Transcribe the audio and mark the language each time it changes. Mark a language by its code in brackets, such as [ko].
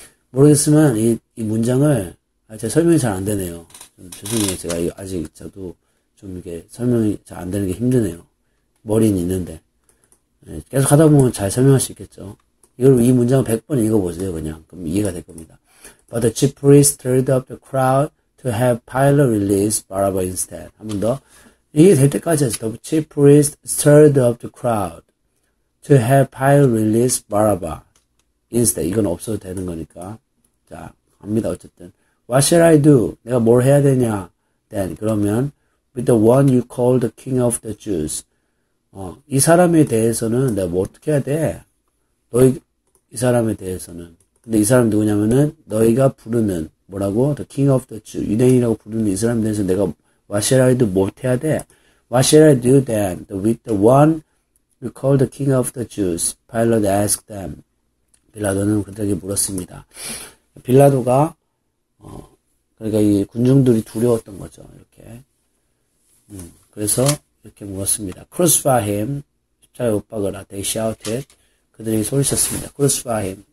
[ko] 모르겠으면 이 문장을 제가 설명이 잘 안 되네요. 좀 죄송해요. 제가 아직 저도 좀 이게 설명이 잘 안 되는 게 힘드네요. 머리는 있는데 계속 하다 보면 잘 설명할 수 있겠죠. 이걸 이 문장을 100번 읽어보세요. 그냥 그럼 이해가 될 겁니다. [en] But the chief priest stirred up the crowd to have Pilate release Barabbas instead. [ko] 한 번 더 이게 될 때까지 하죠. [en] The chief priest stirred up the crowd to have Pilate release Barabbas instead. [ko] 이건 없어도 되는 거니까 자 갑니다. 어쨌든 [en] What shall I do? [ko] 내가 뭘 해야 되냐? [en] Then [ko] 그러면 [en] With the one you call the king of the Jews. [ko] 이 사람에 대해서는 내가 뭐 어떻게 해야 돼? 너희, 이 사람에 대해서는. 근데 이 사람 누구냐면은 너희가 부르는, 뭐라고? [en] The king of the Jews. [ko] 유대인이라고 부르는 이 사람에 대해서 내가 [en] what shall I do? [ko] 뭐 해야 돼? [en] What shall I do then? With the one you call the king of the Jews. Pilate asked them. [ko] 빌라도는 그들에게 물었습니다. 빌라도가, 그러니까 이 군중들이 두려웠던 거죠. 이렇게. 그래서 이렇게 물었습니다. [en] Crucify him. [ko] 십자가에 못 박으라. [en] They shouted. [ko] 그들이 소리쳤습니다. [en] Crucify him.